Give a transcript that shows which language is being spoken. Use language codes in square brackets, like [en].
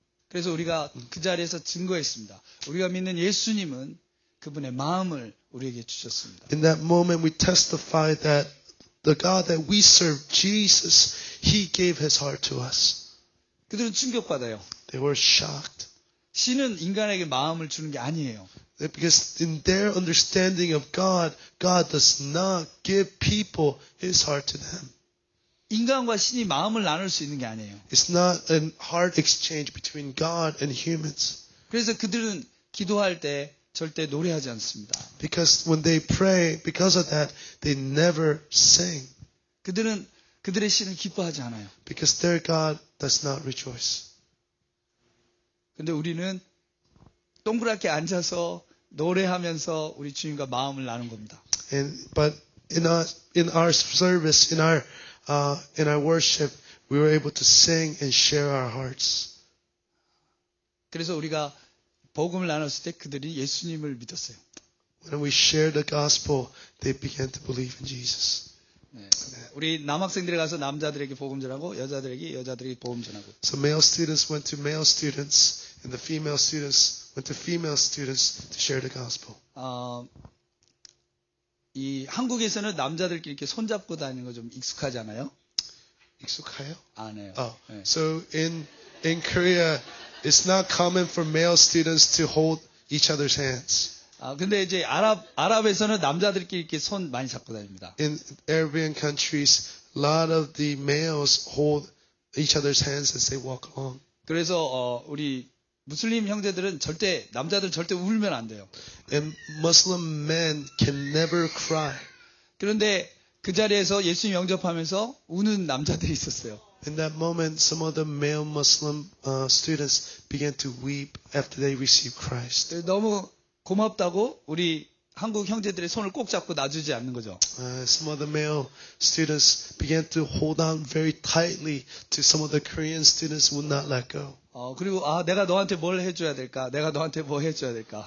[ko] 그래서 우리가 그 자리에서 증거했습니다. 우리가 믿는 예수님은 그분의 마음을 우리에게 주셨습니다. [en] In that moment we testify that the God that we serve Jesus he gave his heart to us. [ko] 그들은 충격받아요. [en] They were shocked. [ko] 신은 인간에게 마음을 주는 게 아니에요. [en] Because in their understanding of God, God does not give people his heart to them. [ko] 인간과 신이 마음을 나눌 수 있는 게 아니에요. [en] It's not a heart exchange between God and humans. [ko] 그래서 그들은 기도할 때 절대 노래하지 않습니다. [en] Because when they pray, because of that, they never sing. [ko] 그들은 그들의 신을 기뻐하지 않아요. [en] Because their God does not rejoice. [ko] 근데 우리는 동그랗게 앉아서 노래하면서 우리 주님과 마음을 나눈 겁니다. [en] But in our service, in our worship, we were able to sing and share our hearts. [ko] 그래서 우리가 복음을 나눴을 때 그들이 예수님을 믿었어요. [en] When we shared the gospel, they began to believe in Jesus. [ko] 네. 우리 남학생들이 가서 남자들에게 복음 전하고 여자들에게 복음 전하고. [en] So male students went to male students and the female students went to female students to share the gospel. [ko] 이 한국에서는 남자들끼리 이렇게 손 잡고 다니는 거 좀 익숙하잖아요. 익숙해요? 아니에요. 네. [en] So in Korea it's not common for male students to hold each other's hands. [ko] 아 근데 이제 아랍에서는 남자들끼리 이렇게 손 많이 잡고 다닙니다. [en] In Arabian countries, a lot of the males hold each other's hands as they walk along. [ko] 그래서 우리 무슬림 형제들은 절대 남자들 절대 울면 안 돼요. [en] And Muslim men can never cry. [ko] 그런데 그 자리에서 예수님 영접하면서 우는 남자들이 있었어요. [en] In that moment, some of the male Muslim students began to weep after they received Christ. [ko] 너무 고맙다고 우리 한국 형제들의 손을 꼭 잡고 놔주지 않는 거죠. [en] Some of the male students began to hold on very tightly to some of the Korean students would not let go. [ko] 그리고 내가 너한테 뭘 해줘야 될까? 내가 너한테 뭐 해줘야 될까?